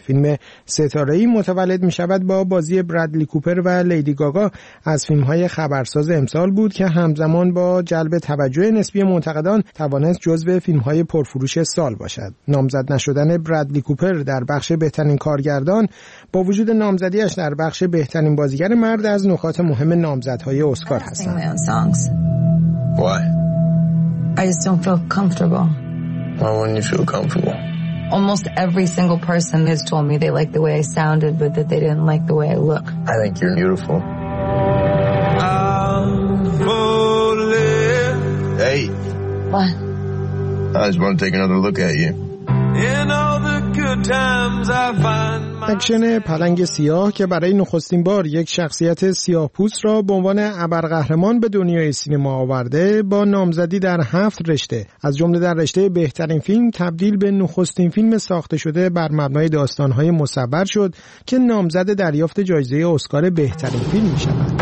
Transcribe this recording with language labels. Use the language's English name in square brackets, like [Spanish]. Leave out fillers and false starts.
[Persian] فیلم ستاره‌ای متولد می‌شود با بازی برادلی کوپر و لیدی گاگا از فیلم‌های خبرساز امسال بود که همزمان با جلب توجه نسبی منتقدان توانست جزو فیلم‌های پرفروش سال باشد. نامزد نشدن برادلی کوپر در بخش بهترین کارگردان با وجود نامزدیش در بخش بهترین بازیگر مرد از نکات مهم نامزدهای اسکار هستند. [English] Why? I just don't feel comfortable. Why wouldn't you feel comfortable? Almost every single person has told me they like the way I sounded but that they didn't like the way I look. I think you're beautiful. What? I just want to take another look at you. In all the good times I find. [Persian] اکشن پلنگ سیاه که برای نخستین بار یک شخصیت سیاه پوست را به عنوان ابرقهرمان به دنیای سینما آورده با نامزدی در 7 رشته از جمله در رشته بهترین فیلم تبدیل به نخستین فیلم ساخته شده بر مبنای داستان‌های مصور شد که نامزد دریافت جایزه اسکار بهترین فیلم می‌شود.